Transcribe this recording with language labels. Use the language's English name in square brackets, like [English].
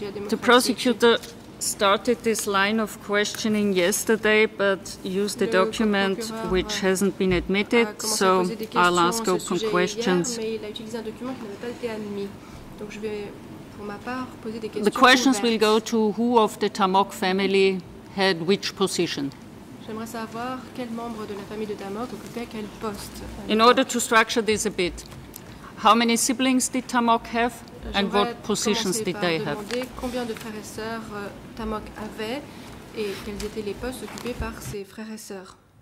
[English] The prosecutor started this line of questioning yesterday, but used a document which hasn't been admitted, so I'll ask open questions. The questions will go to who of the Tamok family had which position. [French] J'aimerais savoir quel membre de la famille de Tamok occupait quel poste. [English] In order to structure this a bit, how many siblings did Tamok have and what positions did they have? [French] Combien de frères et sœurs Tamok avait et quels étaient les postes occupés par ses frères et sœurs?